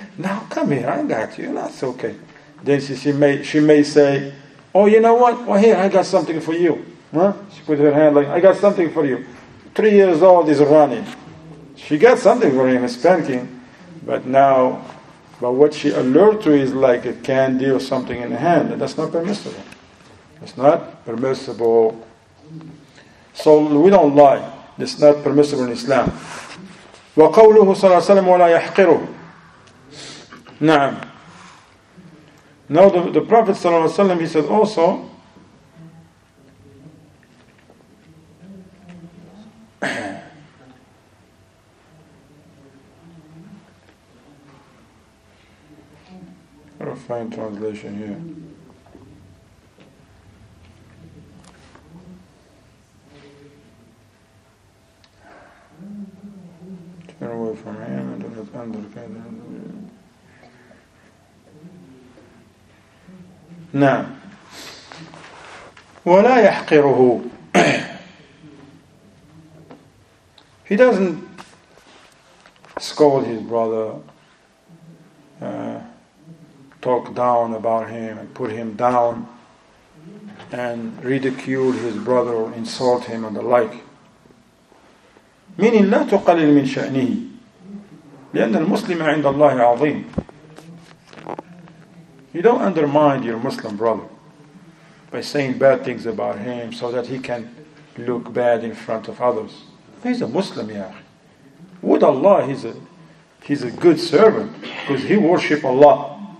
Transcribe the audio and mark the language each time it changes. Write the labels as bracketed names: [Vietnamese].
[English] No, come here, I got you, that's okay. Then she may say, oh, you know what, well, here, I got something for you. Huh? She put her hand like, I got something for you. 3 years old is running. She got something for him, a spanking, but what she alert to is like a candy or something in the hand, and that's not permissible. It's not permissible. So we don't lie. It's not permissible in Islam. [Arabic] وَقَوْلُهُ صَلَى اللَّهُ عَلَيْهِ وَسَلَّمُ وَلَا يَحْقِرُهُ. [English] Na'am. Now the Prophet sallallahu alaihi wasallam, he said also, a fine translation here. Turn away from him and do not understand. [Arabic] Now, ولا يحقره. [English] He doesn't scold his brother, talk down about him and put him down and ridicule his brother or insult him and the like. [Arabic] Meaning لا تقلل من شأنه لأن المسلم عند الله عظيم. [English] You don't undermine your Muslim brother by saying bad things about him so that he can look bad in front of others. He's a Muslim, yeah. Would Allah, he's a good servant because he worships Allah.